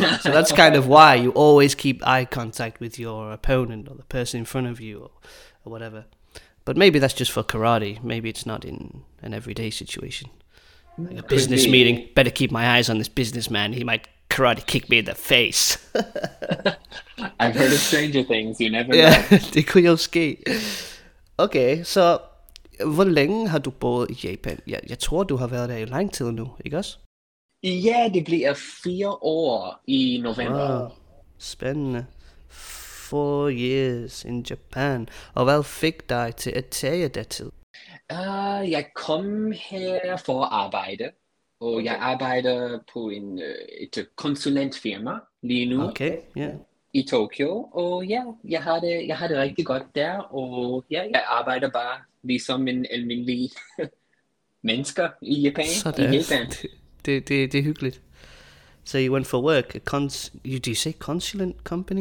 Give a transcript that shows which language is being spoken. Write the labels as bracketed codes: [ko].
[en] So that's kind of why you always keep eye contact with your opponent or the person in front of you or whatever. But maybe that's just for karate. Maybe it's not in an everyday situation. Like a business meeting. Better keep my eyes on this businessman. He might karate kick me in the face. I've heard of Stranger Things, you never know. [da] Det kunne jeg ske. Okay, så hvor længe har du boet i Japan? Jeg tror, du har været der i lang tid nu, ikke også? Ja, det bliver 4 år i november. Wow. Spændende. [en] 4 years in Japan. [da] Og hvad fik dig til at tage der til? Jeg kom her for at arbejde. Og okay. Jeg arbejder på et konsulentfirma lige nu. Okay, ja. Yeah. I Tokyo, og ja, jeg havde det rigtig godt der, og ja, jeg arbejder bare ligesom en almindelig menneske i Japan. Sådan, det er hyggeligt. [en] So you went for work, do you say consulent company?